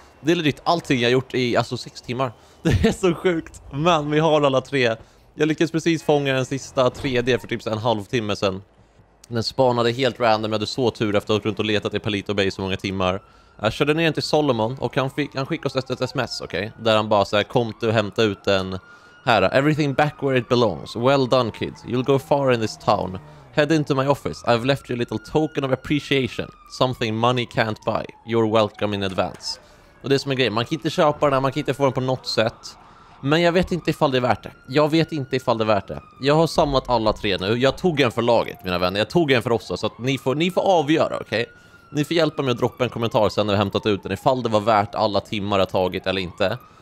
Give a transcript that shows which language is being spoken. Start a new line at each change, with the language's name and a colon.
Swedish: Det är legit allting jag gjort i alltså 6 timmar. Det är så sjukt, men vi har alla 3. Jag lyckades precis fånga den sista 3D för typ en halvtimme sedan. Den spanade helt random, jag hade så tur efter att ha runt och letat i Palito Bay så många timmar. Jag körde ner till Solomon och han skickade oss ett sms, okej? Okay? Där han bara såhär, kom till och hämta ut den här.
English: Everything back where it belongs. Well done, kids. You'll go far in this town. Head into my office. I've left you a little token of appreciation. Something money can't buy. You're welcome in advance.
Swedish: Och det som är grejen, man kan inte köpa den här, man kan inte få den på något sätt. Men jag vet inte ifall det är värt det. Jag har samlat alla 3 nu. Jag tog en för laget, mina vänner. Jag tog en för oss, så att ni får avgöra, okej? Okay? Ni får hjälpa mig att droppa en kommentar sen när vi hämtat ut den. Ifall det var värt alla timmar jag tagit eller inte.